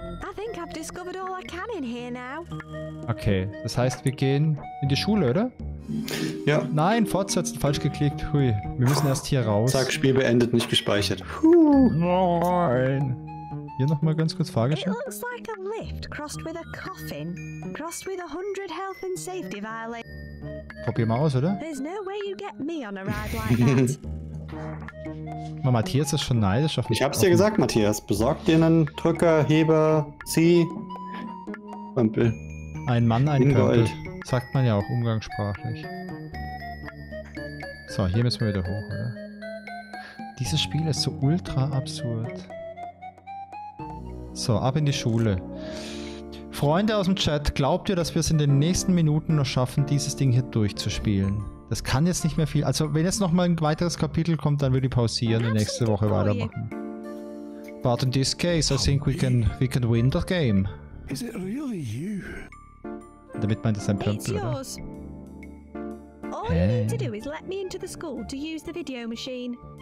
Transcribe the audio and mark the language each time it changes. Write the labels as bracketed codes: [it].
[en] I think I've discovered all I can in here now. [de] Okay, das heißt, wir gehen in die Schule, oder? Ja. Nein, fortsetzen, falsch geklickt. Hui, wir müssen erst hier raus. Zack, Spiel beendet, nicht gespeichert. Nein. Hier nochmal ganz kurz Fahrgeschäft. [en] It looks like a lift crossed with a coffin, crossed with 100 health and safety violations. [de] Probier mal aus, oder? [en] There's no way you get me on a ride like that. [de] Mal, Matthias ist schon neidisch auf mich. Ich hab's dir gesagt, Matthias. Besorg dir einen Drücker, Heber, Zieh. Pömpel. Ein Mann, ein Pömpel. Sagt man ja auch umgangssprachlich. So, hier müssen wir wieder hoch, oder? Dieses Spiel ist so ultra absurd. So, ab in die Schule. Freunde aus dem Chat, glaubt ihr, dass wir es in den nächsten Minuten noch schaffen, dieses Ding hier durchzuspielen? Das kann jetzt nicht mehr viel. Also, wenn jetzt nochmal ein weiteres Kapitel kommt, dann würde ich pausieren und nächste Woche weitermachen. [en] But in this case, I think we can win the game. Is it really you? [de] Damit meint es ein Pömpel, oder? [en] It's yours. All you need to do is let me into the school to use the video machine.